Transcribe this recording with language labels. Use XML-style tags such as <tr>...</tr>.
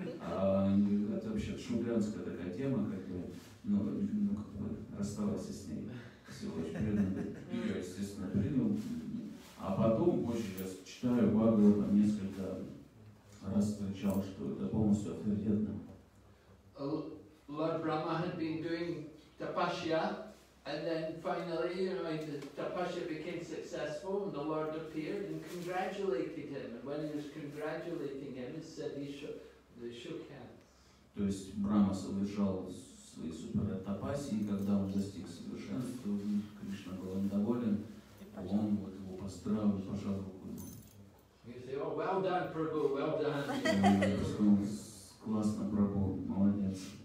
<ru>А это вообще шумгрянская такая тема, как бы, ну, как бы расставался с ней. Всего очень преданный. И я, естественно, принял. А потом, позже я читаю Бхагавату, несколько раз встречал, что это полностью авторитетно.</ru> <en>Lord Brahma had been doing tapasya, and then finally, you know, the tapasya became successful, and the Lord appeared and congratulated him. And when he was congratulating him, he said they shook hands.</en> <ru>То есть Брама совершал свои супертапасии, и когда он достиг совершенства, Кришна был доволен, он вот его поздравил, пожал руку.</ru> <en>He said, "Oh, well done, Prabhu, well done."</en> <ru>Классно, Прабху, молодец.</ru>